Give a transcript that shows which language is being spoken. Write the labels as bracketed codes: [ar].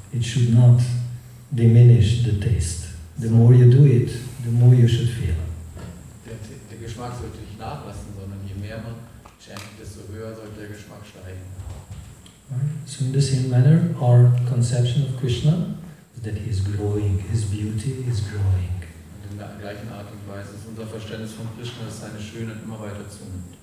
[en] It should not diminish the taste. The more you do it, the more you should feel. [de] Der Geschmack sollte nicht nachlassen, sondern je mehr man chantet, desto höher sollte der Geschmack steigen. [en] Right. So in the same manner, our conception of Krishna is that he is growing, his beauty is growing. [de] Und in der gleichen Art und Weise ist unser Verständnis von Krishna, dass seine Schönheit immer weiter zunimmt.